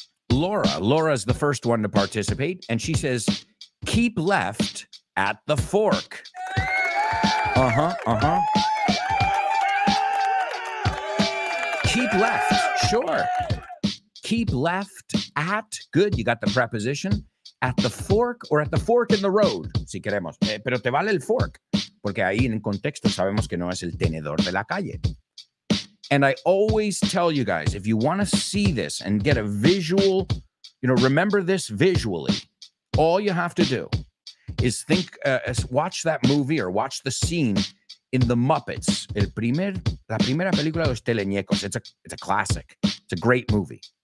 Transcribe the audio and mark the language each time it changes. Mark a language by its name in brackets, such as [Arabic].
[English] Laura's the first one to participate, and she says, keep left at the fork. Uh-huh. Keep left, sure. Keep left at, good, you got the preposition, at the fork or at the fork in the road, [Spanish] si queremos. Pero te vale el fork, porque ahí en contexto sabemos que no es el tenedor de la calle. [English] And I always tell you guys, if you want to see this and get a visual, you know, remember this visually, all you have to do is think, watch that movie or watch the scene in The Muppets. [Spanish] La primera película de los teleñecos. [English] It's a classic. It's a great movie.